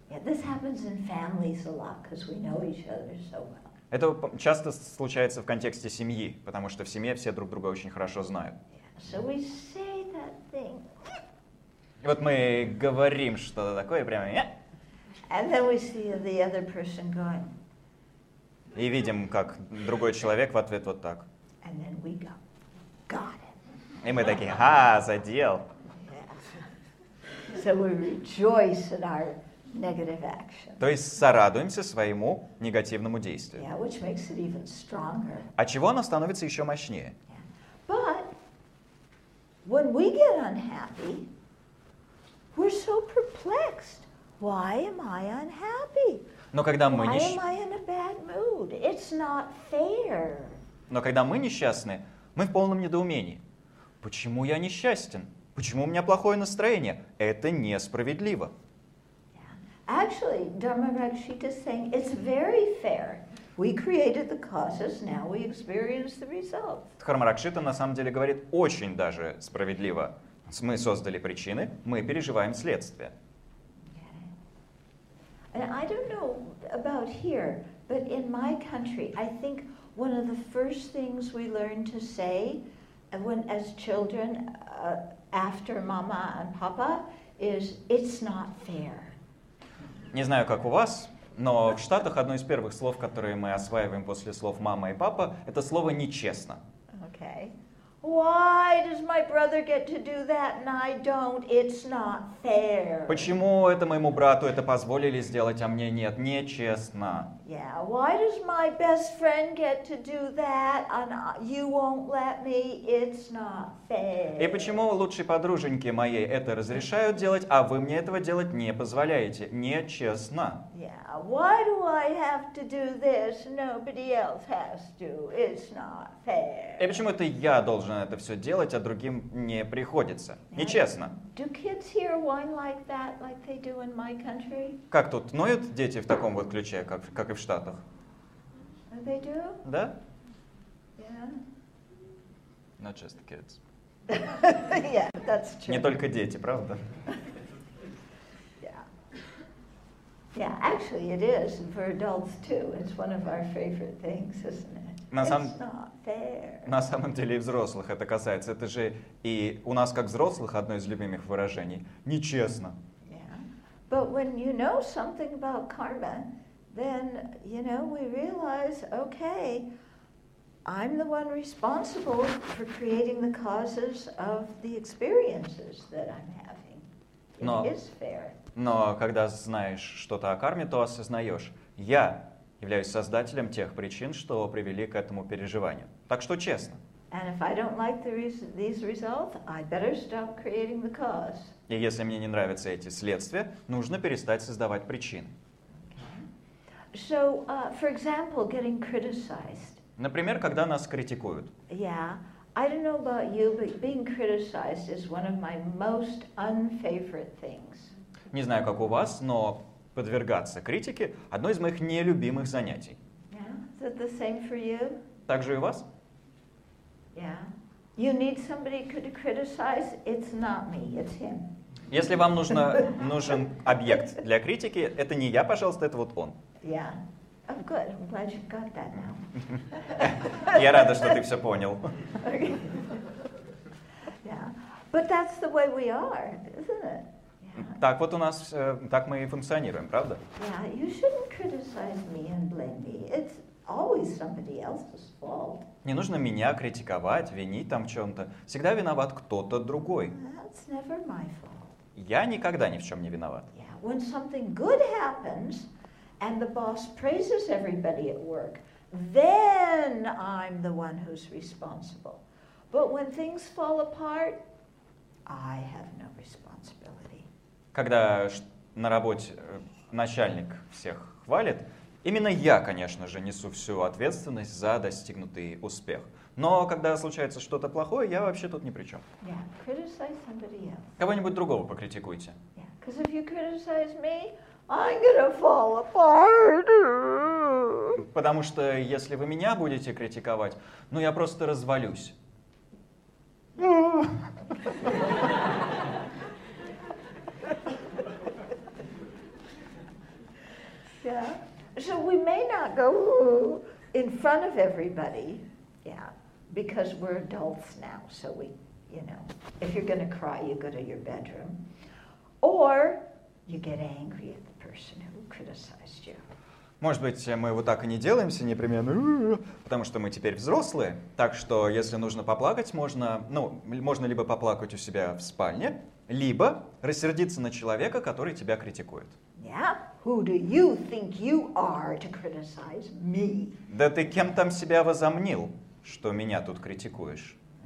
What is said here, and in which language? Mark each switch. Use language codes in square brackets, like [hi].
[en] Yeah, this happens in families a lot, 'cause we know each other so well. [ru] Это часто случается в контексте семьи, потому что в семье все друг друга очень хорошо знают. [en] Yeah, so we say that thing. [ru] И вот мы говорим что-то такое, прямо «я». [en] And then we see the other person going. [ru] И видим, как другой человек в ответ вот так. [en] And then we go, got [ru] it. И мы такие «ха, задел». [en] Yeah. So we rejoice at our negative action. [ru] То есть сорадуемся своему негативному действию. [en] Yeah, which makes it even stronger. [ru] А чего оно становится еще мощнее? [en] Yeah. But when we get unhappy, we're so perplexed. Why am I unhappy? [ru] Но когда мы [en] Why am I in a bad mood? It's not fair. [ru] Но когда мы несчастны, мы в полном недоумении. Почему я несчастен? Почему у меня плохое настроение? Это несправедливо. [en] Yeah. Actually, Dharma Rakshita is saying it's very fair. We created the causes, now we experience the results. [ru] Дхарма Ракшита на самом деле говорит очень даже справедливо. Мы создали причины, мы переживаем следствия. [en] And I don't know about here, but in my country, I think one of the first things we learn to say when as children after mama and papa is it's not fair. [ru] Не знаю, как у вас, но в Штатах одно из первых слов, которые мы осваиваем после слов мама и папа, это слово нечестно. [en] Okay. Why does my brother get to do that and I don't? It's not fair. [ru] Почему это моему брату это позволили сделать, а мне нет? Нечестно. [en] Yeah. Why does my best friend get to do that and you won't let me? It's not fair. [ru] И почему лучшие подруженьки моей это разрешают делать, а вы мне этого делать не позволяете? Нечестно. [en] Yeah. Why do I have to do this? Nobody else has to. It's not fair. [ru] И почему это я должен это все делать, а другим не приходится? Нечестно. [en] Do kids here whine like that, like they do in my country? [ru] Как тут ноют дети в таком вот ключе, как и в Штатах? [en] They do? [ru] Да? [en] Yeah. Not just kids. Yeah, that's true. [ru] Не только дети, правда? [en] Yeah. Yeah, actually it is for adults too. It's one of our favorite things, isn't it? [ru] На самом деле и взрослых это касается. Это же и у нас как взрослых одно из любимых выражений. Нечестно. [en] Yeah. But when you know something about karma, then you know we realize, okay, I'm the one responsible for creating the causes of the experiences that I'm having. It is fair. [ru] Но когда знаешь что-то о карме, то осознаешь, я являюсь создателем тех причин, что привели к этому переживанию. Так что честно. [en] And if I don't like these results, I better stop creating the cause. [ru] И если мне не нравятся эти следствия, нужно перестать создавать причины. [en] So, for example, getting criticized. [ru] Например, когда нас критикуют. [en] Yeah. I don't know about you, but being criticized is one of my most unfavorite things. [ru] Не знаю, как у вас, но подвергаться критике — одно из моих нелюбимых занятий. [en] Yeah. Is it the same for you? [ru] Так же и у вас? [en] Yeah. You need somebody to criticize, it's not me, it's him. [ru] Если вам нужен объект для критики, это не я, пожалуйста, это вот он. [en] Yeah. Oh, good. I'm glad you got that now. [ru] Я рада, что ты все понял. [en] Okay. Yeah. But that's the way we are, isn't it? [ru] Так вот у нас, так мы и функционируем, правда? [en] Yeah, you shouldn't criticize me and blame me. It's always somebody else's fault. [ru] Не нужно меня критиковать, винить там в чем-то. Всегда виноват кто-то другой. [en] That's never my fault. [ru] Я никогда ни в чем не виноват. [en] Yeah, when something good happens and the boss praises everybody at work, then I'm the one who's responsible. But when things fall apart, I have no responsibility. [ru] Когда на работе начальник всех хвалит, именно я, конечно же, несу всю ответственность за достигнутый успех. Но когда случается что-то плохое, я вообще тут ни при чем. [en] Yeah. Criticize somebody else. [ru] Кого-нибудь другого покритикуйте. [en] Yeah. 'Cause if you criticize me, I'm gonna fall apart. [ru] Потому что если вы меня будете критиковать, ну я просто развалюсь. [en] Yeah. So we may not go in front of everybody, yeah, because we're adults now. So we, you know, if you're going to cry, you go to your bedroom, or you get angry at the person who criticized you. [ru] Может быть, мы вот так и не делаемся непременно, потому что мы теперь взрослые. Так что, если нужно поплакать, можно либо поплакать у себя в спальне, либо рассердиться на человека, который тебя критикует. [en] Yeah. Who do you think you are to criticize me? [ru] Да ты кем там себя возомнил, что меня тут критикуешь?